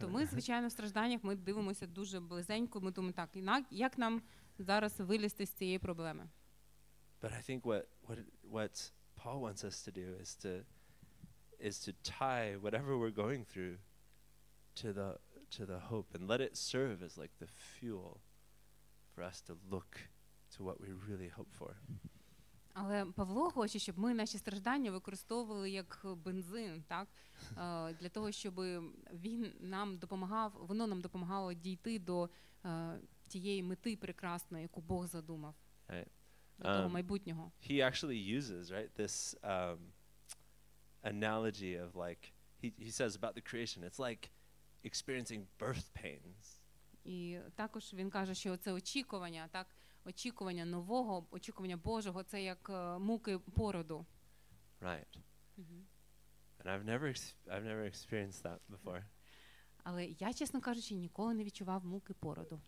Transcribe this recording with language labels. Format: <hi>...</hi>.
<uk>то ми, звичайно, в стражданнях ми дивимося дуже близенько, ми думаємо так, як нам зараз вилізти з цієї проблеми?</uk> <en>But I think what Paul wants us to do is to tie whatever we're going through to the hope and let it serve as like the fuel for us to look to what we really hope for.</en> <uk>Але Павло хоче, щоб ми наші страждання використовували як бензин, так? Для того, щоб він нам допомагав, воно нам допомагало дійти до тієї мети прекрасної, яку Бог задумав.</uk> <en>Right.</en> <uk>До того майбутнього.</uk> <en>He actually uses, right, this analogy of like, he says about the creation, it's like experiencing birth pains.</en> <uk>І також він каже, що це очікування, так? Очікування нового, очікування Божого, це як муки породу.</uk> <en>Right. Mm-hmm. And I've never experienced that before.</en> <uk>Але я, чесно кажучи, ніколи не відчував муки породу.</uk>